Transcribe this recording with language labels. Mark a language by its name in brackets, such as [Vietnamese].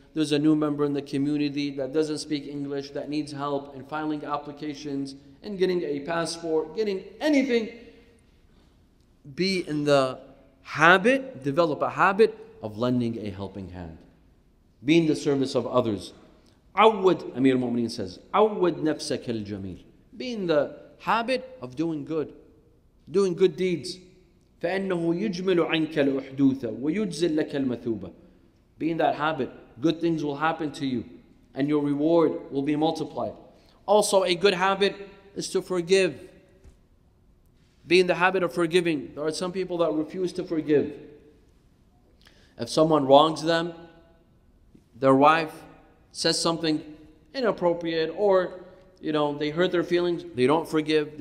[English] There's a new member in the community that doesn't speak English, that needs help in filing applications, in getting a passport, getting anything. Be in the habit, develop a habit of lending a helping hand. Be in the service of others. [Arabic] عود, [English] Amir al-Mu'mineen says, [Arabic] عود نفسك الجميل. [English] Be in the habit of doing good, doing good deeds. [Arabic] فَإِنَّهُ يُجْمِلُ عَنْكَ الْأُحْدُوثَ وَيُجْزِلْ لَكَ الْمَثُوبَةِ [English] Be in that habit. Good things will happen to you, and your reward will be multiplied. Also, a good habit is to forgive. Be in the habit of forgiving. There are some people that refuse to forgive. If someone wrongs them, their wife says something inappropriate, or you know, they hurt their feelings, they don't forgive.